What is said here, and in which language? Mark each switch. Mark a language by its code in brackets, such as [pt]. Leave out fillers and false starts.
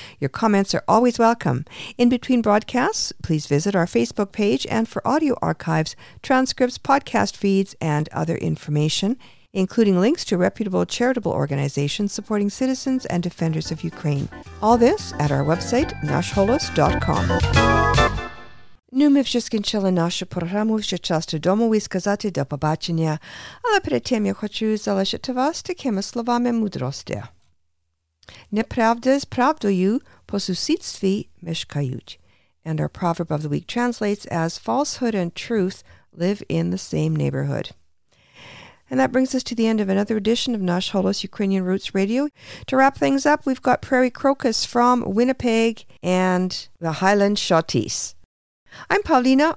[en] Your comments are always welcome. In between broadcasts, please visit our Facebook page, and for audio archives, transcripts, podcast feeds, and other information, including links to reputable charitable organizations supporting citizens and defenders of Ukraine. All this at our website, nashholos.com. [uk] Ну, ми вже скінчили нашу програму, вже час додому і сказати до побачення. Але перед тим я хочу залишити вас такими словами мудрості. Неправда з правдою по сусідстві мешкають. [en] And our proverb of the week translates as falsehood and truth live in the same neighborhood. And that brings us to the end of another edition of Nash Holos Ukrainian Roots Radio. To wrap things up, we've got Prairie Crocus from Winnipeg and the Highland Shawtees. I'm Paulina.